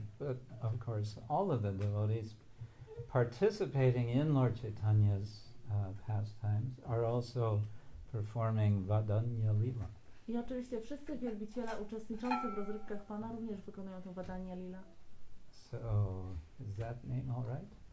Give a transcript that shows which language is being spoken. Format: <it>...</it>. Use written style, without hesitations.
<en>But of course, all of the devotees participating in Lord Chaitanya's pastimes are also performing Vadanya Leela.</en> <pl>I oczywiście wszyscy wielbiciele uczestniczący w rozrywkach pana również wykonują to Vadanya Leela.</pl> <en>So, is that name all right?</en>